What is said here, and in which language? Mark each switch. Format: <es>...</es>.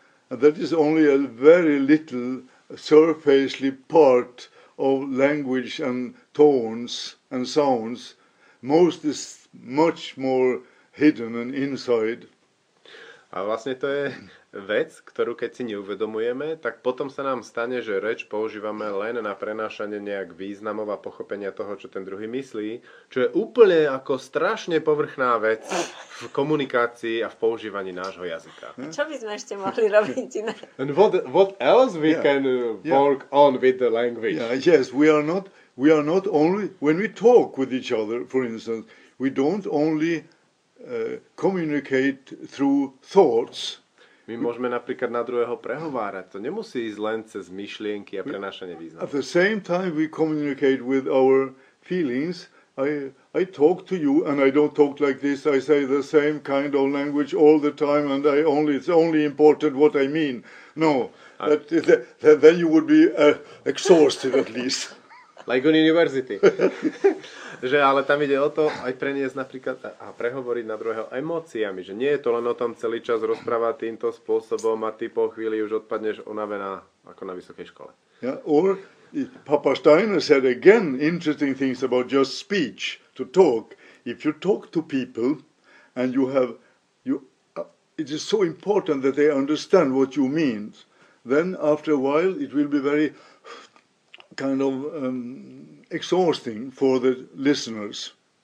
<en>And that is only a very little surfacely part of language and tones and sounds. Most is much more hidden and inside.</en> <sk>A vlastne to je vec, ktorú keď si neuvedomujeme, tak potom sa nám stane, že reč používame len na prenášanie nejak významov a pochopenia toho, čo ten druhý myslí, čo je úplne ako strašne povrchná vec v komunikácii a v používaní nášho jazyka. A čo by sme ešte mohli robiť?</sk> <en>And what else we can work on with the language? Yeah, yes, we are not only when we talk with each other, for instance, we don't only communicate through thoughts.</en> <sk>My môžeme napríklad na druhého prehovárať. To nemusí ísť len cez myšlienky a prenášanie významu.</sk> <en>At the same time we communicate with our feelings. I talk to you and I don't talk like this. I say the same kind of language all the time and it's only important what I mean. No. That then you would be exhausted at least. Like on university.</en> <sk>Že ale tam ide o to aj preniesť napríklad a prehovoriť na druhého emóciami. Že nie je to len o tom celý čas rozprávať týmto spôsobom a ty po chvíli už odpadneš unavená ako na vysokej škole.</sk> <en>Yeah, or Papa Steiner said again interesting things about just speech, to talk. If you talk to people and it is so important that they understand what you mean, then after a while it will be very kind of exhausting for the listeners.</en>